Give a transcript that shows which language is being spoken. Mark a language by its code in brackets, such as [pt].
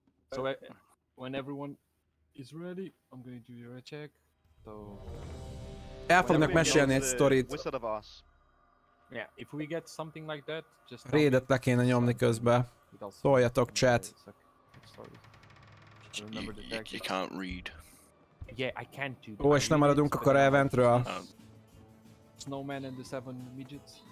[en] So when everyone is ready, I'm gonna do your check. So [hu] el fognak mesélni egy sztorit. [en] Yeah, if we get something like that, just [hu] raidet le kéne nyomni közbe. Szóljatok, chat. [en] You can't read. Yeah, I can't do. [hu] Ó, és nem maradunk akkor eventről. [en] Snowman and the seven midgets.